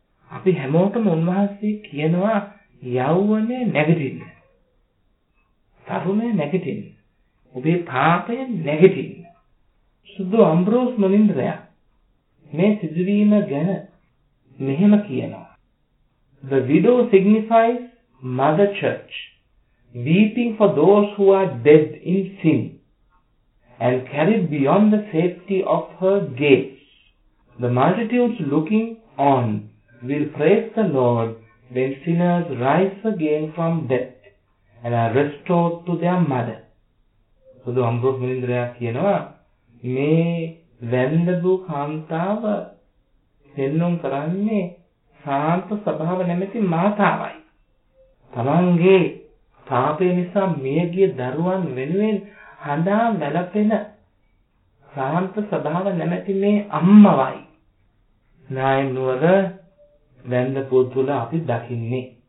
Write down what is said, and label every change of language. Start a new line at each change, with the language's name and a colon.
Sinhala: අපි හැමෝටම උන්වහන්සේ කියනවා යෞවනේ නැගිටින්න, තරුණේ නැගිටින්න, ඔබේ පාපය නැගිටින්න. සුදු අම්බ්‍රෝස් මනින්ද්‍රයා මේ සිදුවීම ගැන මෙහෙම කියනවා.
English: The widow signifies Mother Church weeping for those who are dead in sin and carried beyond the safety of her gates. The multitudes looking on will praise the Lord when sinners rise again from death and are restored to their mother.
Sinhala: බුදු අම්බ්‍රෝස් මනින්ද්‍රයා කියනවා මේ වැන්දබු කාන්තාව පෙන්නුම් කරන්නේ සාන්ත ස්වභාව නැමැති මාතාවයි. තමන්ගේ පාපය නිසා මියගිය දරුවන් වෙනුවෙන් හඳා වැළපෙන සාන්ත ස්වභාව නැමැති මේ අම්මවයි නායනුවර වැන්ද පුතුල අපි දකින්නේ.